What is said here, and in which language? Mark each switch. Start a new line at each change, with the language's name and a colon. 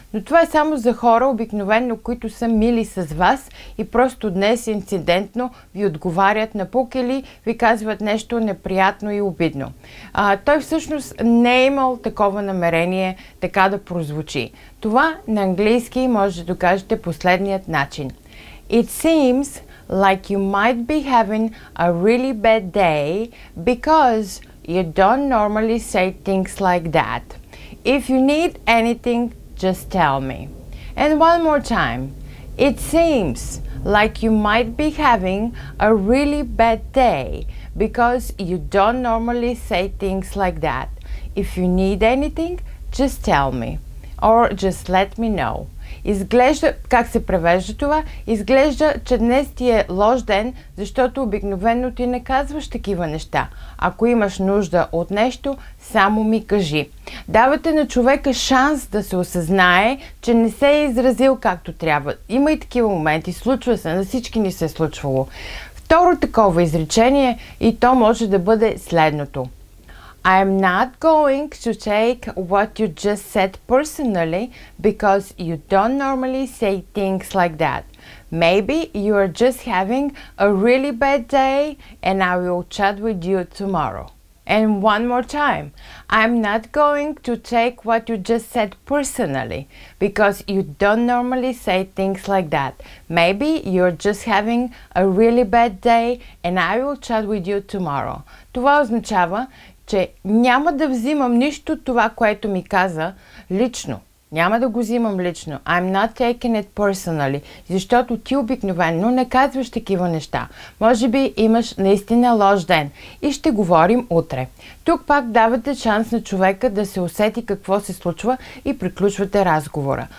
Bulgarian: Но това е само за хора обикновено, които са мили с вас и просто днес инцидентно ви отговарят на пук или ви казват нещо неприятно и обидно. Той всъщност не е имал такова намерение така да прозвучи. Това на английски може да докажете последният начин.
English: It seems like you might be having a really bad day because you don't normally say things like that. If you need anything, just tell me. And one more time. It seems like you might be having a really bad day because you don't normally say things like that. If you need anything, just tell me. Or just let me know.
Bulgarian: Изглежда, как се превежда това? Изглежда, че днес ти е лош ден, защото обикновено ти не казваш такива неща. Ако имаш нужда от нещо, само ми кажи. Давате на човека шанс да се осъзнае, че не се е изразил както трябва. Има и такива моменти, случва се, на всички ни се е случвало. Второ такова изречение и то може да бъде следното.
English: I am not going to take what you just said personally because you don't normally say things like that. Maybe you are just having a really bad day and I will chat with you tomorrow. And one more time. I am not going to take what you just said personally because you don't normally say things like that. Maybe you are just having a really bad day and I will chat with you tomorrow.
Bulgarian: Това означава, че няма да взимам нищо това, което ми каза, лично. Няма да го взимам лично.
English: I'm not taking it personally.
Bulgarian: Защото ти обикновено не казваш такива неща. Може би имаш наистина лош ден. И ще говорим утре. Тук пак давате шанс на човека да се усети какво се случва и приключвате разговора.